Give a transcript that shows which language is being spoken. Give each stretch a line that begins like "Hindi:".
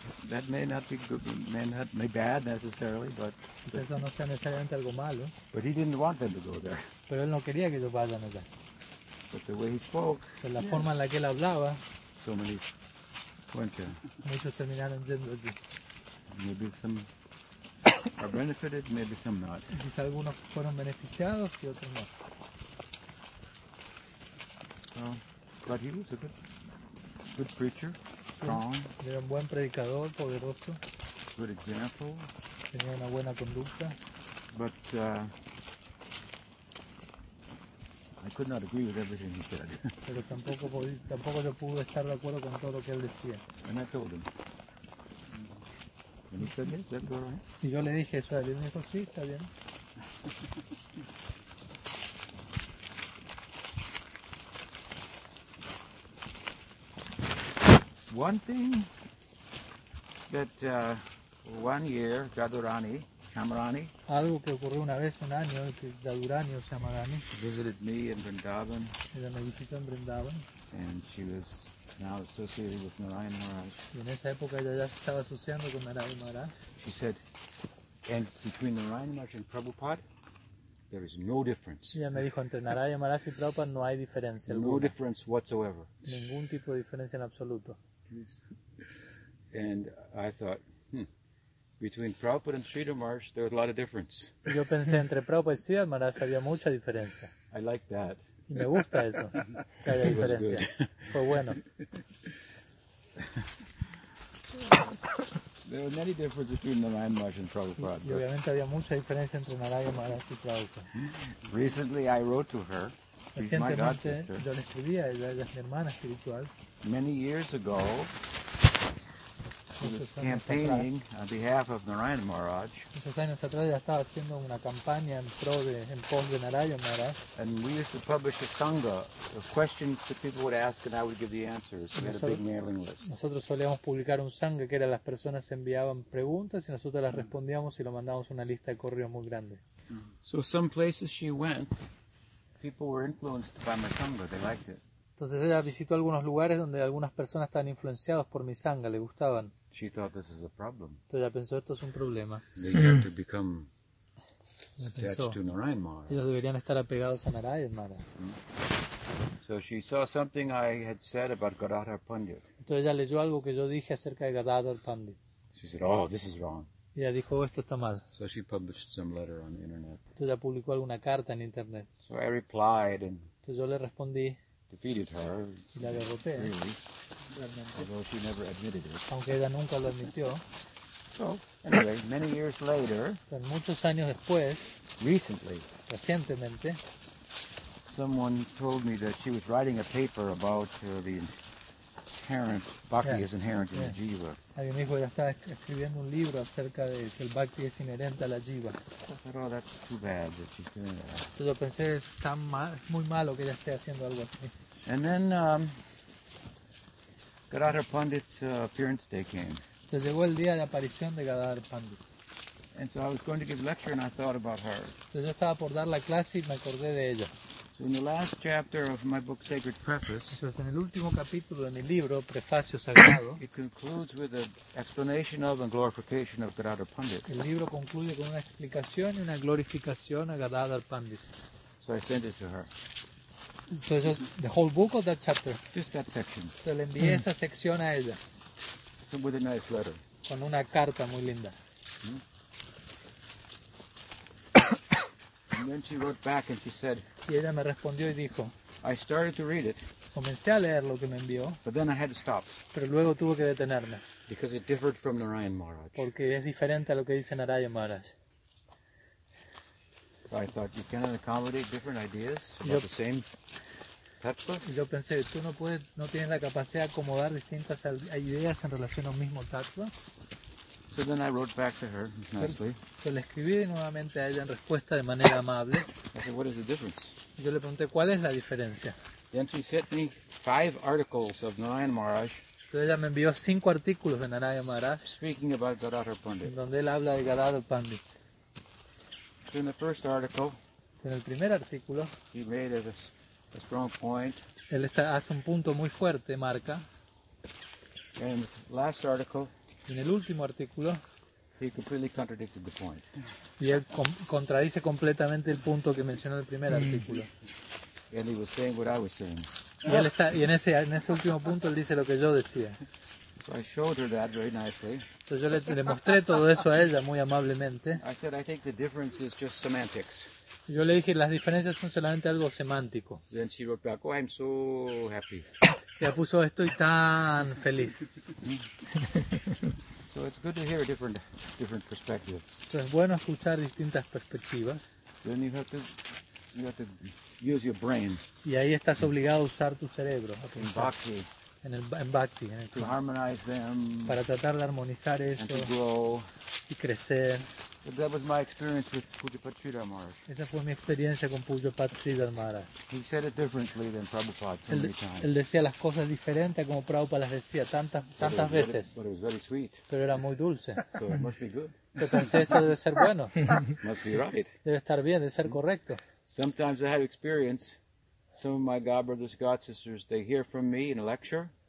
English: That may not be good, may not be bad necessarily, but
Spanish: eso no sea necesariamente algo malo.
English: But he didn't want them to go there.
Spanish: Pero él no quería que ellos vayan allá.
English: But the way he spoke.
Spanish: Pero la forma en la que él hablaba.
English: So many went there.
Spanish: Muchos terminaron yendo allí.
English: Maybe some are benefited, maybe some not.
Spanish: Quizá algunos fueron beneficiados y otros no.
English: But he was a good preacher, strong.
Spanish: Sí, era un buen predicador, poderoso.
English: Good example.
Spanish: Tenía una buena conducta.
English: But I could not agree with everything he said.
Spanish: Pero tampoco yo pude estar de acuerdo con todo lo que él decía.
English: And I told him. And he said, yes, that's all right.
Spanish: Y yo le dije eso a él, y me dijo, sí, está bien.
English: One thing that one year, Jadurani, Shamarani,
Spanish: algo que ocurrió una vez un año, que Jadurani o Shamarani,
English: visited me in Vrindavan.
Spanish: Ella me visitó en Vrindavan.
English: And she was now associated with Narayan Maharaj.
Spanish: Y en esa época ella ya se estaba asociando con Narayan Maharaj.
English: She said, and between Narayan Maharaj and Prabhupada, there is no difference.
Spanish: Ella me dijo, entre Narayan Maharaj y Prabhupada no hay diferencia alguna.
English: No difference whatsoever.
Spanish: Ningún tipo de diferencia en absoluto.
English: And I thought, between Prabhupada and Sridhar Maharaj, there was a lot of difference.
Spanish: Yo pensé, entre Prabhupada y Sridhar Maharaj había mucha diferencia.
English: I like that.
Spanish: Y me gusta eso, que haya diferencia. Fue bueno.
English: There were many differences between Narayan Maharaj and Prabhupada.
Spanish: Y obviamente había mucha diferencia entre Narayan Maharaj y Prabhupada.
English: Recently I wrote to her.
Spanish: Recientemente yo le escribí a ella, ella es mi hermana espiritual.
English: Many years ago, he was campaigning on behalf of Narayan Maharaj.
Spanish: Muchos años atrás ya estaba haciendo una campaña en pos de Narayan Maharaj.
English: And we used to publish a sangha of questions that people would ask, and I would give the answers. We had a big mailing list.
Spanish: Nosotros solíamos publicar un sangha que era las personas enviaban preguntas y nosotros las respondíamos y lo mandábamos una lista de correo muy grande.
English: So some places she went, people were influenced by my sangha. They liked it.
Spanish: Entonces ella visitó algunos lugares donde algunas personas estaban influenciadas por mi sangha, le gustaban.
English: She thought this is a problem.
Spanish: Entonces ella pensó, esto es un problema.
English: They have to become attached to Narayan Maharaj.
Spanish: Ellos deberían estar apegados a Narayan Maharaj.
English: So she saw something I had said about Gadadhar Pandit.
Spanish: Entonces ella leyó algo que yo dije acerca de Gadadhar Pandit.
English: She said, oh, this is wrong.
Spanish: Y ella dijo, esto está mal.
English: So she published some letter on the internet.
Spanish: Entonces ella publicó alguna carta en internet.
English: So I replied and
Spanish: entonces yo le respondí.
English: Defeated her,
Spanish: y la derroté,
English: really,
Spanish: realmente.
English: Although she never admitted it.
Spanish: Aunque ella nunca lo admitió.
English: So, anyway, many years later,
Spanish: pero muchos años después,
English: recently,
Spanish: recientemente,
English: someone told me that she was writing a paper about the inherent, bhakti is inherent in the jiva.
Spanish: Alguien dijo que ella estaba escribiendo un libro acerca de que el bhakti es inherente a la jiva.
English: Oh, that's too bad that she's doing that.
Spanish: Entonces yo pensé, es tan mal, muy malo que ella esté haciendo algo así.
English: And then Gadadhar Pandit's appearance day came.
Spanish: Se llegó el día de aparición de Gadadhar Pandit.
English: And so I was going to give lecture and I thought about her.
Spanish: Entonces yo estaba por dar la clase y me acordé de ella.
English: So So in the last chapter of my book, Sacred Preface,
Spanish: entonces, en el último capítulo de mi libro, Prefacio Sagrado,
English: it concludes with an explanation of and glorification of Gadadhar Pandit.
Spanish: El libro concluye con una explicación y una glorificación a Gadadhar Pandit.
English: So I sent it to her. So is it the whole book or that chapter? Just that section.
Spanish: So le envié esa sección a ella.
English: So with a nice letter.
Spanish: Con una carta muy linda.
English: And then she wrote back and she said,
Spanish: y ella me respondió y dijo,
English: I started to read it.
Spanish: Comencé a leer lo que me envió.
English: But then I had to stop.
Spanish: Pero luego tuve que detenerme.
English: Because it differed from Narayan Maharaj.
Spanish: Porque es diferente a lo que dice Narayan Maharaj.
English: So I thought, you cannot accommodate different ideas about the same tattva.
Spanish: Yo pensé, tú no puedes, no tienes la capacidad de acomodar distintas ideas en relación al mismo tattva.
English: So then I wrote back to her nicely.
Spanish: Yo le escribí nuevamente a ella en respuesta de manera amable.
English: I said, what is the difference?
Spanish: Yo le pregunté, ¿cuál es la diferencia?
English: Then she sent me 5 articles of Narayan Maharaj.
Spanish: Entonces ella me envió 5 artículos de Narayan Maharaj.
English: Speaking about Gadadhar Pandit.
Spanish: Donde él habla de Gadadhar Pandit.
English: So in the first article.
Spanish: En el primer artículo.
English: He made a strong point.
Spanish: Él está, hace un punto muy fuerte, marca.
English: And last article.
Spanish: En el último artículo,
English: he completely contradicted the point.
Spanish: Y él contradice completamente el punto que mencionó el primer artículo.
English: And he was saying what I was saying.
Spanish: Y él está, y en ese último punto él dice lo que yo decía.
English: So I showed her that very nicely.
Spanish: Entonces yo le mostré todo eso a ella muy amablemente.
English: I said, I think the difference is just semantics.
Spanish: Yo le dije, las diferencias son solamente algo semántico.
English: Then she wrote back, oh, I'm so happy.
Spanish: Ya puso, estoy tan feliz.
English: So it's good to hear different perspectives.
Spanish: Entonces, bueno escuchar distintas perspectivas.
English: Then you have to use your brain.
Spanish: Y ahí estás obligado a usar tu cerebro.
English: In bhakti.
Spanish: En el
English: to harmonize them.
Spanish: Para tratar de armonizar eso.
English: And to grow.
Spanish: Y crecer.
English: But that was my experience with Pujapati Sridhar Maharaj.
Spanish: Esa fue mi experiencia con Pujapati Sridhar Maharaj.
English: He said it differently than Prabhupada so many times.
Spanish: Él decía las cosas diferentes como Prabhupada las decía tantas veces.
English: But it was very sweet.
Spanish: Pero era muy dulce.
English: So it must be good.
Spanish: Yo pensé, esto debe ser bueno.
English: Must be right.
Spanish: Debe estar bien, debe ser correcto.
English: Sometimes I have experience. Some of my God brothers, God sisters, they hear from me in a lecture.